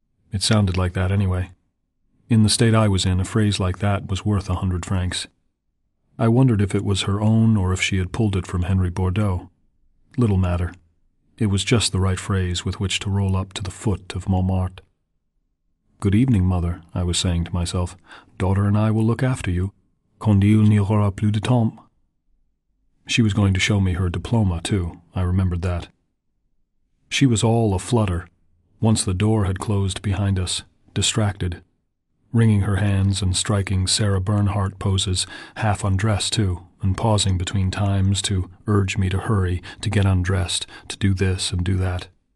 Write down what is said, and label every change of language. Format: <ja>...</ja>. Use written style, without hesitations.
<en>It sounded like that anyway. In the state I was in, a phrase like that was worth 100 francs. I wondered if it was her own or if she had pulled it from Henri Bordeaux. Little matter. It was just the right phrase with which to roll up to the foot of Montmartre. "Good evening, mother," I was saying to myself. "Daughter and I will look after you.</en> <fr>Quand il n'y aura plus de temps."</fr> <en>She was going to show me her diploma, too. I remembered that. She was all a flutter, once the door had closed behind us, distracted, wringing her hands and striking Sarah Bernhardt poses, half undressed, too, and pausing between times to urge me to hurry, to get undressed, to do this and do that.</en>